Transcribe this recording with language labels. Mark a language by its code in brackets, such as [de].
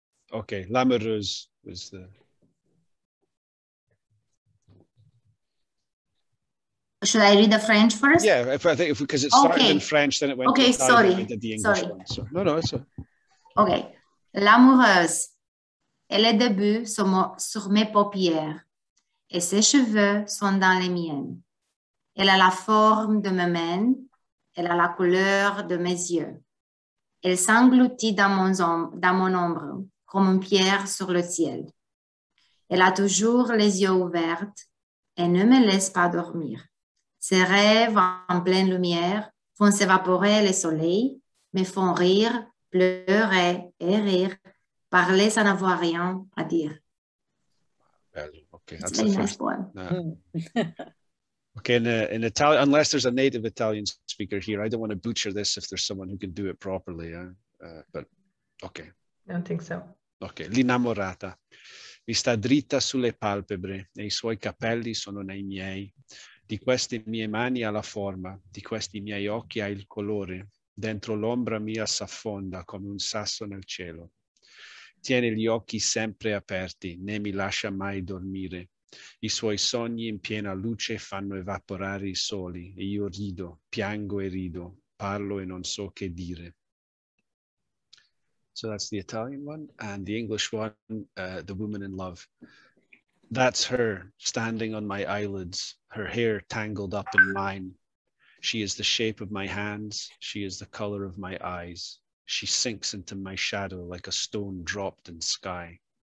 [en] Okay, l'amoureuse was the... Should I read the French first? Yeah, because it started in French, then it went okay, to Italian, sorry. And I did the English sorry. One. So, no, it's okay. [fr] L'amoureuse, elle est debout sur mes paupières et ses cheveux sont dans les miennes. Elle a la forme de mes mains. Elle a la couleur de mes yeux. Elle s'engloutit dans mon ombre comme une pierre sur le ciel. Elle a toujours les yeux ouverts et ne me laisse pas dormir. Ses rêves en pleine lumière font s'évaporer le soleil, me font rire, pleurer et rire, parler sans avoir rien à dire. [en] Okay, that's it's very nice. Okay, in Italian, unless there's a native Italian speaker here, I don't want to butcher this if there's someone who can do it properly. But okay. I don't think so. Okay, l'innamorata. [it] Mi sta dritta sulle palpebre e i suoi capelli sono nei miei. Di queste mie mani ha la forma, di questi miei occhi ha il colore. Dentro l'ombra mia s'affonda come un sasso nel cielo. Tiene gli occhi sempre aperti, né mi lascia mai dormire. I suoi sogni in piena luce fanno evaporare i soli e io rido, piango e rido, parlo e non so che dire. [en] So that's the Italian one and the English one, the woman in love. That's her standing on my eyelids, her hair tangled up in mine. She is the shape of my hands, she is the color of my eyes. She sinks into my shadow like a stone dropped in sky.